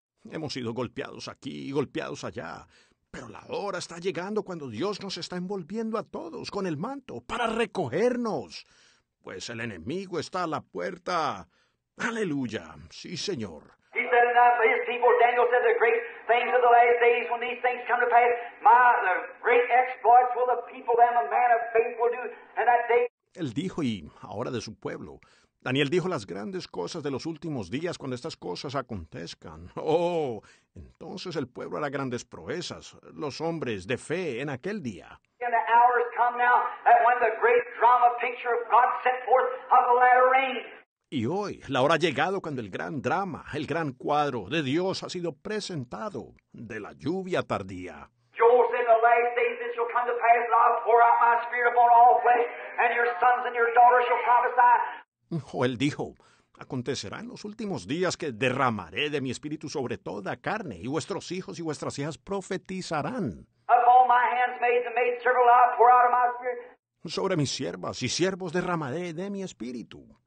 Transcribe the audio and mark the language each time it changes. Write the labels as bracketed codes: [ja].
[es] Hemos sido golpeados aquí y golpeados allá, pero la hora está llegando cuando Dios nos está envolviendo a todos con el manto para recogernos, pues el enemigo está a la puerta. Aleluya, sí, Señor. [en] He said it for his people. Daniel said the great things of the last days when these things come to pass. My, the great exploits will the people and the man of faith will do. And that day. [es] Él dijo, y ahora de su pueblo. Daniel dijo las grandes cosas de los últimos días cuando estas cosas acontezcan. Oh, entonces el pueblo hará grandes proezas, los hombres de fe en aquel día. [en] And the hours come now that when the great drama picture of God set forth of the latter rain. [es] Y hoy, la hora ha llegado cuando el gran drama, el gran cuadro de Dios ha sido presentado de la lluvia tardía. [en] Joel said, the last days is shall come to pass that I'll pour out my spirit upon all flesh, and your sons and your daughters shall prophesy. [es] Joel dijo, acontecerá en los últimos días que derramaré de mi espíritu sobre toda carne, y vuestros hijos y vuestras hijas profetizarán. [en] Upon my handmaids and maidservants I'll pour out of my spirit. [es] Sobre mis siervas y siervos derramaré de mi espíritu.